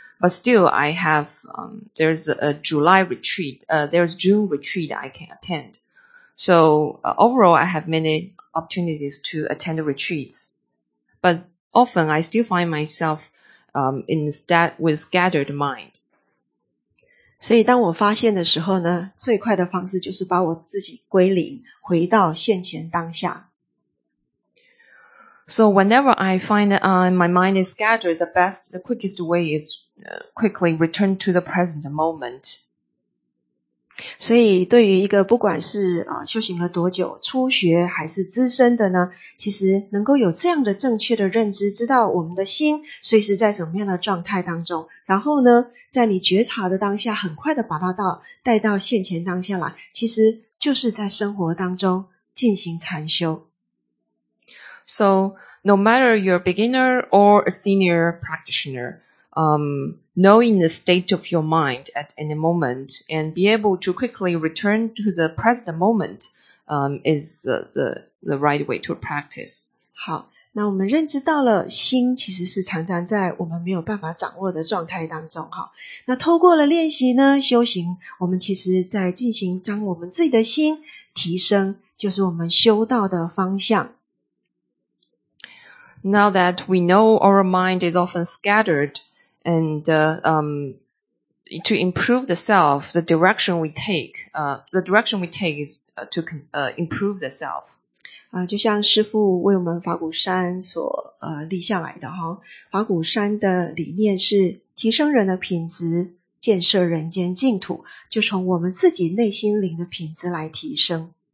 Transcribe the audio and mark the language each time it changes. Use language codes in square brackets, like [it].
[en] But still, I have, there's a July retreat, there's June retreat I can attend. So, overall, I have many opportunities to attend retreats. But often, I still find myself, with scattered mind. [zh] 所以当我发现的时候呢，最快的方式就是把我自己归零，回到现前当下。 [en] So whenever I find my mind is scattered, the quickest way is quickly return to the present moment. [zh] 所以对于一个不管是修行了多久，初学还是资深的呢，其实能够有这样的正确的认知，知道我们的心随时在什么样的状态当中，然后呢，在你觉察的当下，很快的把它带到现前当下来，其实就是在生活当中进行禅修。 [en] So, no matter you're a beginner or a senior practitioner, knowing the state of your mind at any moment and be able to quickly return to the present moment, is the right way to practice. [zh] 好，那我们认知到了心其实是常常在我们没有办法掌握的状态当中，好，那透过了练习呢，修行，我们其实在进行将我们自己的心提升，就是我们修道的方向。 [en] Now that we know our mind is often scattered, and to improve the self, the direction we take is improve the self. [zh] 就像师父为我们法鼓山所立下来的哈，法鼓山的理念是提升人的品质，建设人间净土，就从我们自己内心灵的品质来提升。